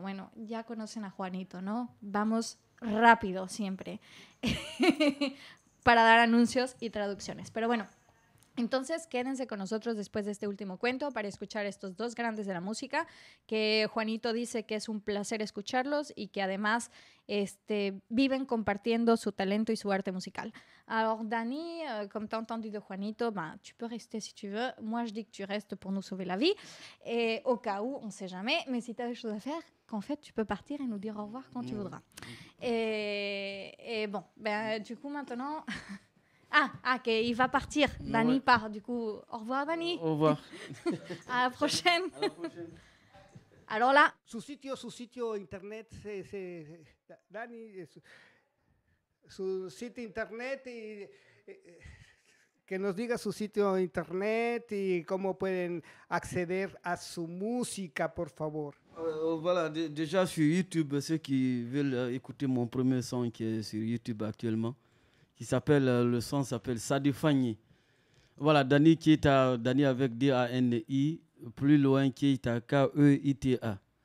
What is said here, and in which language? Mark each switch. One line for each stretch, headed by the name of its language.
Spanish: Bueno, ya conocen a Juanito, ¿no? Vamos rápido siempre para dar anuncios y traducciones. Pero bueno. Entonces, quédense con nosotros después de este último cuento para escuchar estos dos grandes de la música, que Juanito dice que es un placer escucharlos y que además viven compartiendo su talento y su arte musical.
French: Alors, Dani, comme tu as entendu de Juanito, tu peux rester si tu veux. Moi, je dis que tu restes pour nous sauver la vie. Et au cas où, on ne sait jamais, mais si tu as des choses à faire, qu'en fait, tu peux partir et nous dire au revoir quand tu voudras. Et maintenant... Ah, que il va partir. Dani part. Du coup, au revoir, Dani. Au revoir. À la prochaine. Alors là.
Spanish: Su sitio internet,
French: c'est Dani.
Spanish: Su site internet y que nos diga su sitio internet y cómo pueden acceder a su música, por favor.
French: Voilà, déjà sur YouTube, ceux qui veulent écouter mon premier son qui est sur YouTube actuellement. Qui s'appelle, le son s'appelle Sadi Fanyi. Voilà, Dani Keita, Dani avec D-A-N-I, plus loin Keita, K-E-I-T-A.